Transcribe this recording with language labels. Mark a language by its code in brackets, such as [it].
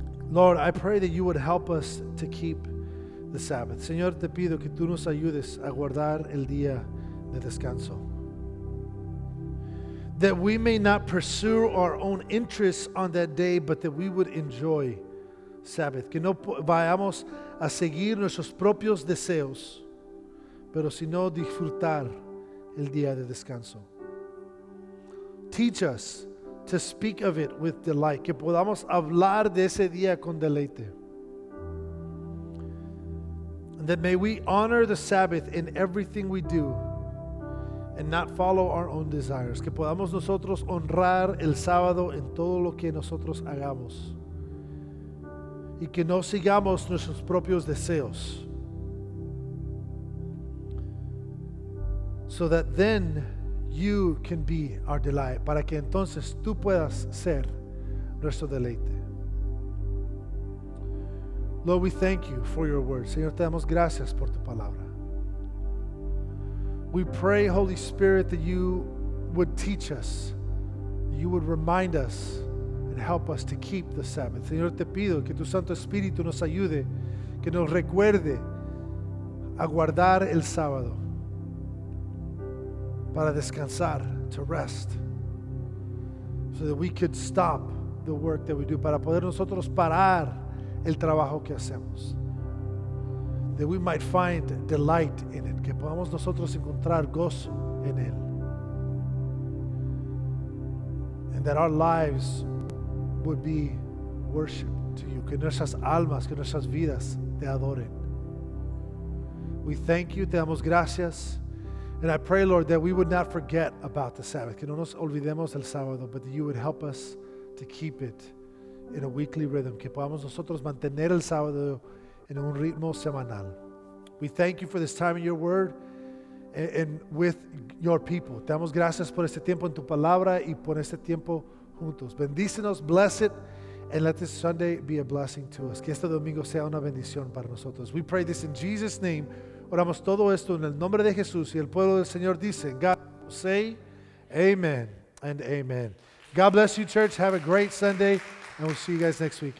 [en] Lord, I pray that you would help us to keep the Sabbath. [es] Señor, te pido que tú nos ayudes a guardar el día de descanso. [en] That we may not pursue our own interests on that day, but that we would enjoy Sabbath, [es] que no vayamos a seguir nuestros propios deseos, pero sino disfrutar el día de descanso. [en] Teach us to speak of it with delight, [es] que podamos hablar de ese día con deleite. [en] And that may we honor the Sabbath in everything we do and not follow our own desires, [es] que podamos nosotros honrar el sábado en todo lo que nosotros hagamos. Y que no sigamos nuestros propios deseos. [en] So that then you can be our delight. [es] Para que entonces tú puedas ser nuestro deleite. [en] Lord, we thank you for your word. [es] Señor, te damos gracias por tu palabra. [en] We pray, Holy Spirit, that you would teach us. You would remind us. Help us to keep the Sabbath. [es] Señor, te pido que tu Santo Espíritu nos ayude, que nos recuerde a guardar el sábado para descansar, [en] to rest, so that we could stop the work that we do, [es] para poder nosotros parar el trabajo que hacemos. [en] That we might find delight in it, [es] que podamos nosotros encontrar gozo en él. [en] And that our lives would be worship to you. [es] Que nuestras almas, que nuestras vidas te adoren. [en] We thank you, [es] te damos gracias. [en] And I pray, Lord, that we would not forget about the Sabbath. [es] Que no nos olvidemos del sábado, [en] but that you would help us to keep it in a weekly rhythm. [es] Que podamos nosotros mantener el sábado en un ritmo semanal. [en] We thank you for this time in your word and with your people. [es] Te damos gracias por este tiempo en tu palabra y por este tiempo juntos. Bendícenos, [en] bless it, and let this Sunday be a blessing to us. [es] Que este domingo sea una bendición para nosotros. [en] We pray this in Jesus' name. [es] Oramos todo esto en el nombre de Jesús y el pueblo del Señor dice, God [en] say amen and amen. God bless you, church. Have a great Sunday, and we'll see you guys next week.